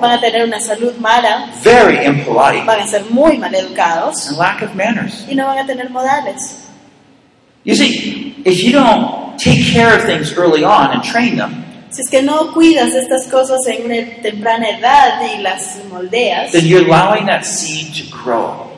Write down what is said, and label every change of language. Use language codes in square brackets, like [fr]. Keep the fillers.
[es] Van a tener una salud mala. [en] Very impolite. [es] Van a ser muy mal educados. [en] And lack of manners. [es] Y no van a tener modales. [en] You see, if you don't take care of things early on and train them, [es] Si es que no cuidas estas cosas en una temprana edad y las moldeas, [en] then you're allowing that seed to grow.